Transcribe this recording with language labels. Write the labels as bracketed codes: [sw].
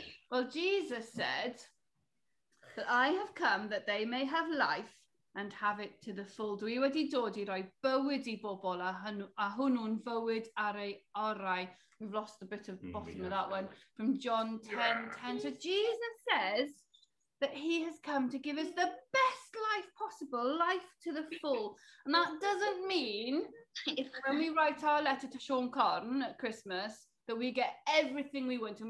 [en] Well, Jesus said that I have come that they may have life and have it to the full. [cy] Dwi wedi dod I roi bywyd I bobl a hwnnw'n fywyd ar ei orau. [en] We've lost a bit of the bottom of that one. From John 10:10. So Jesus says that he has come to give us the best life possible, life to the full. And that doesn't mean when we write our letter to Sean Carden at Christmas that we get everything we want.